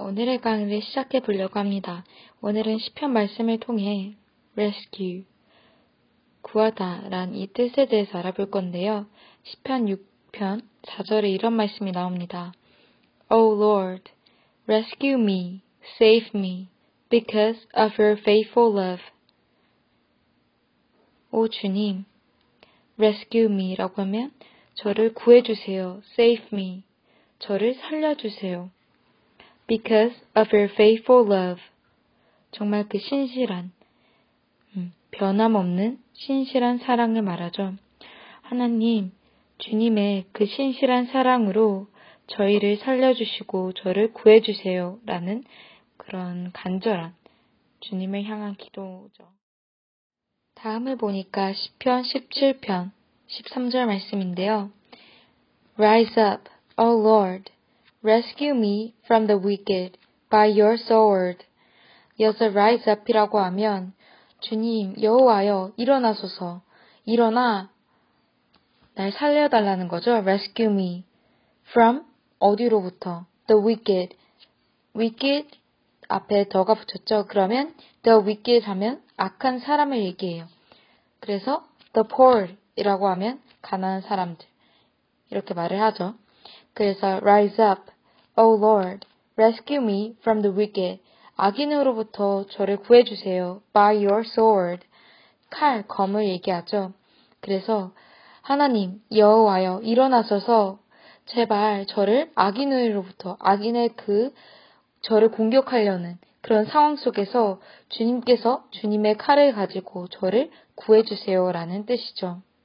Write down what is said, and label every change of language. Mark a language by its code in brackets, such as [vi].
[ko] 오늘의 강의를 시작해 보려고 합니다. 오늘은 시편 말씀을 통해 rescue, 구하다란 이 뜻에 대해서 알아볼 건데요. 시편 6편 4절에 이런 말씀이 나옵니다. [en] O Lord, rescue me, save me, because of your faithful love. [ko] 오 주님, [en] rescue me [ko] 라고 하면 저를 구해 주세요. [en] Save me, [ko] 저를 살려 주세요. [en] Because of your faithful love. [ko] 정말 그 신실한, 변함없는 신실한 사랑을 말하죠. 하나님, 주님의 그 신실한 사랑으로 저희를 살려주시고 저를 구해주세요. 라는 그런 간절한 주님을 향한 기도죠. 다음을 보니까 시편 17편 13절 말씀인데요. [en] Rise up, O Lord. Rescue me from the wicked by your sword. [ko] 여기서 [en] rise up [ko] 이라고 하면 주님 여호와여 일어나소서. 일어나 날 살려달라는 거죠. [en] Rescue me from [ko] 어디로부터? [en] The wicked. [ko] Wicked 앞에 더가 붙였죠. 그러면 [en] the wicked [ko] 하면 악한 사람을 얘기해요. 그래서 [en] the poor [ko] 이라고 하면 가난한 사람들 이렇게 말을 하죠. 그래서 [en] rise up. O Lord, rescue me from the wicked. [ko] 악인으로부터 저를 구해주세요. [en] By your sword. [ko] 칼, 검을 얘기하죠. 그래서 하나님, 여호와여, 일어나서서 제발 저를 악인으로부터, 악인의 그 저를 공격하려는 그런 상황 속에서 주님께서 주님의 칼을 가지고 저를 구해주세요라는 뜻이죠.